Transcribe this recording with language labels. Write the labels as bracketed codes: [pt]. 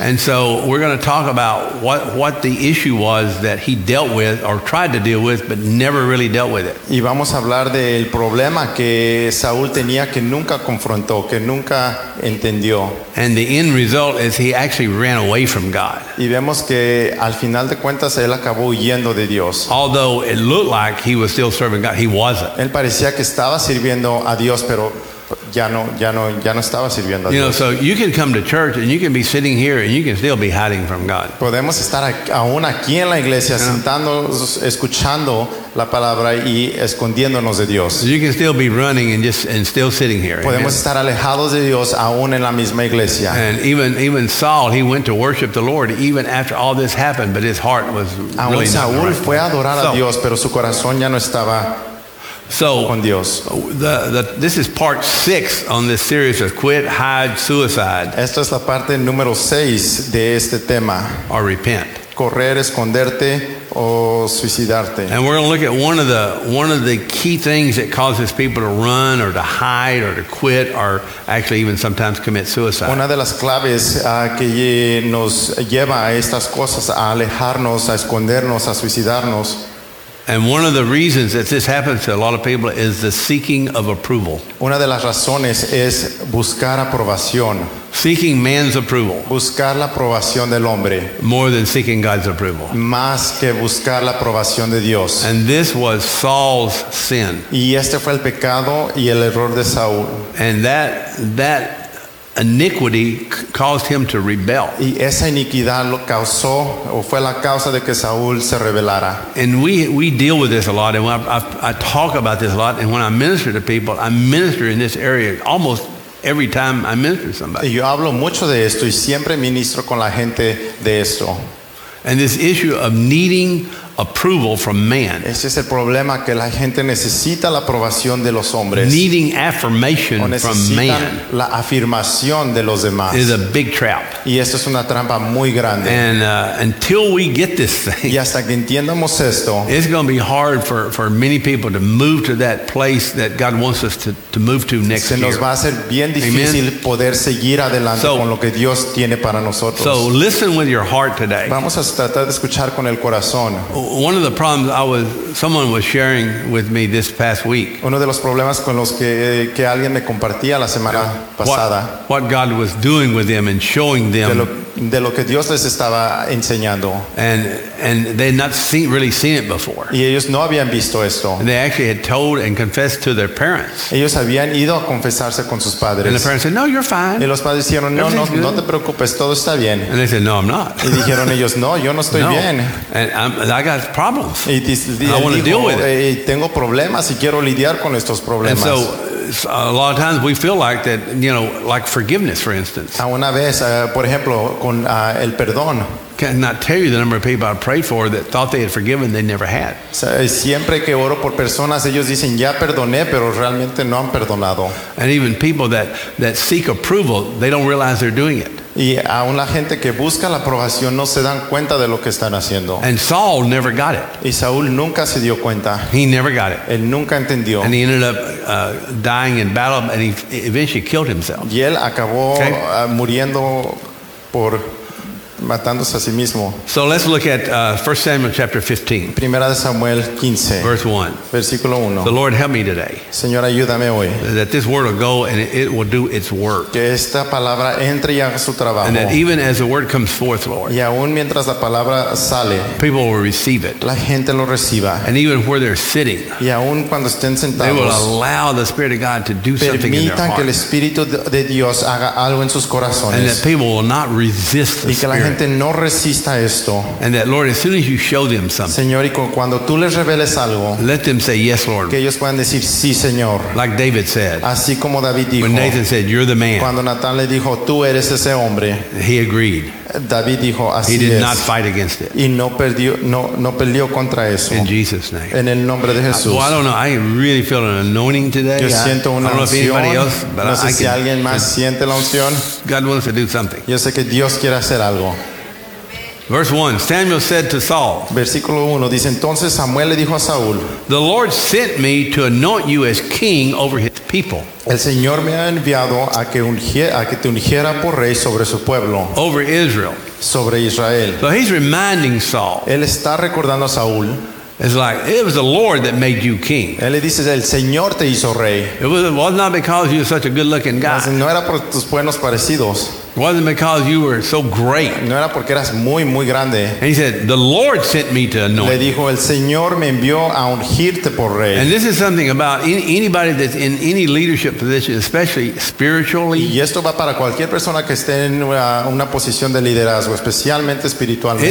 [en] And so we're going to talk about what the issue was that he dealt with or tried to deal with but never really dealt with it. [es] Y vamos a hablar del problema que Saúl tenía que nunca confrontó, que nunca entendió. [en] And the end result is he actually ran away from God. [es] Y vemos que al final de cuentas él acabó huyendo de Dios. [en] Although it looked like he was still serving God, he wasn't. [es] Él parecía que estaba sirviendo a Dios, pero ya no estaba sirviendo a Dios. [en] You know, so you can come to church and you can be sitting here and you can still be hiding from God. [es] Podemos estar aún aquí en la iglesia sentándonos, escuchando la palabra y escondiéndonos de Dios. [en] You can still be running and still sitting here. [es] Podemos estar alejados de Dios aún en la misma iglesia. [en] And even Saul, he went to worship the Lord even after all this happened, but his heart was really not. [es] Saúl fue a adorar a Dios, pero su corazón ya no estaba. [en] So, this is part 6 on this series of quit, hide, suicide. [es] Esta es la parte número 6 de este tema. [en] Or repent. [es] Correr, esconderte o suicidarte. [en] And we're going to look at one of the key things that causes people to run or to hide or to quit or actually even sometimes commit suicide. [es] Una de las claves que nos lleva a estas cosas, a alejarnos, a escondernos, a suicidarnos. [en] And one of the reasons that this happens to a lot of people is the seeking of approval. [es] Una de las razones es buscar aprobación. [en] Seeking man's approval. [es] Buscar la aprobación del hombre. [en] More than seeking God's approval. [es] Más que buscar la aprobación de Dios. [en] And this was Saul's sin. [es] Y este fue el pecado y el error de Saúl. [en] And that iniquity caused him to rebel. [es] Y esa iniquidad lo causó o fue la causa de que Saúl se rebelara. [en] And we deal with this a lot, and I talk about this a lot, and when I minister to people, I minister in this area almost every time I minister to somebody. [es] Y yo hablo mucho de esto y siempre ministro con la gente de esto. [en] And this issue of needing approval from man. [es] Ese es el problema, que la gente necesita la aprobación de los hombres. [en] Needing affirmation from man. [es] La afirmación de los demás. [en] Is a big trap. [es] Y esto es una trampa muy grande. [en] And until we get this thing. [es] Y hasta que entiendamos esto. [en] It's going to be hard for many people to move to that place that God wants us to move to next year. [es] Se nos va a hacer bien difícil poder seguir adelante con lo que Dios tiene para nosotros. [en] So listen with your heart today. [es] Vamos a tratar de escuchar con el corazón. [en] One of the problems someone was sharing with me this past week. [es] Uno de los problemas con los que alguien me compartía la semana pasada. [en] What God was doing with them and showing them. [es] De lo que Dios les estaba enseñando. [en] And they had not really seen it before. [es] Y ellos no habían visto esto. [en] And they actually had told and confessed to their parents. [es] Ellos habían ido a confesarse con sus padres. [en] And the parents said, "No, you're fine." [es] Y los padres dijeron, no te preocupes, todo está bien. [en] And they said, "No, I'm not." [es] Y dijeron ellos, no, yo no estoy bien. [en] I got problems. I want to deal with it. [es] Tengo problemas y quiero lidiar con estos problemas. [en] And so a lot of times we feel like that, you know, like forgiveness, for instance. [es] A una vez, por ejemplo, con el perdón. [en] Cannot tell you the number of people I prayed for that thought they had forgiven they never had. [es] Siempre que oro por personas, ellos dicen ya perdoné, pero realmente no han perdonado. [en] And even people that seek approval, they don't realize they're doing it. [es] Y aún la gente que busca la aprobación no se dan cuenta de lo que están haciendo. [en] And Saul never got it. [es] Y Saúl nunca se dio cuenta. [en] He never got it. [es] Él nunca entendió. [en] And he ended up dying in battle, and he eventually killed himself. [es] Y él acabó muriendo por matándose a sí mismo. [en] So let's look at 1 Samuel chapter 15. [es] Primera de Samuel 15. [en] Verse 1. [es] Versículo 1. [en] The Lord help me today. [es] Señor, ayúdame hoy. [en] That this word will go and it will do its work. [es] Que esta palabra entre y haga su trabajo. [en] And that even as the word comes forth, Lord. [es] Y aún mientras la palabra sale. [en] People will receive it. [es] La gente lo reciba. [en] And even where they're sitting. [es] Y aún cuando estén sentados. [en] They will allow the Spirit of God to do something in their heart. [es] Permitan que el Espíritu de Dios haga algo en sus corazones. [en] And that people will not resist the Spirit. [es] Gente no resista esto. [en] And that, Lord, as soon as you show them something, [es] Señor, y cuando tú les reveles algo, [en] let them say yes, Lord. [es] Que ellos puedan decir sí, Señor. [en] Like David said. [es] Así como David dijo. [en] When Nathan said, "You're the man." [es] Cuando Natán le dijo, "Tú eres ese hombre." [en] He agreed. [es] David dijo, así [en] he did [es] es. [en] Not fight against it. [es] Y no perdió contra eso. [en] In Jesus' name. [es] En el nombre de Jesús. [en] Well, I don't know. I really feel an anointing today. [es] Yo siento una unción. [en] I don't know if anybody else, but [es] no sé [en] I [es] si [en] can, [es] alguien más siente la unción. [en] God wants to do something. [es] Yo sé que Dios quiere hacer algo. [en] Verse 1, Samuel said to Saul. [es] Versículo 1 dice, entonces Samuel le dijo a Saúl. [en] The Lord sent me to anoint you as king over his people. [es] El Señor me ha enviado a que te ungiera por rey sobre su pueblo. [en] Over Israel. [es] Sobre Israel. [en] So he's reminding Saul. [es] Él está recordando a Saúl. [en] It's like it was the Lord that made you king. [es] Él le dice, el Señor te hizo rey. [en] It was not because you were such a good-looking guy. [es] No era por tus buenos parecidos. [en] It wasn't because you were so great. [es] No era porque eras muy muy grande. [en] And he said, the Lord sent me to anoint. [es] Le dijo, el Señor me envió a ungirte por rey. [en] And this is something about anybody that's in any leadership position, especially spiritually. [es] Y esto va para cualquier persona que esté en una posición de liderazgo, especialmente espiritualmente.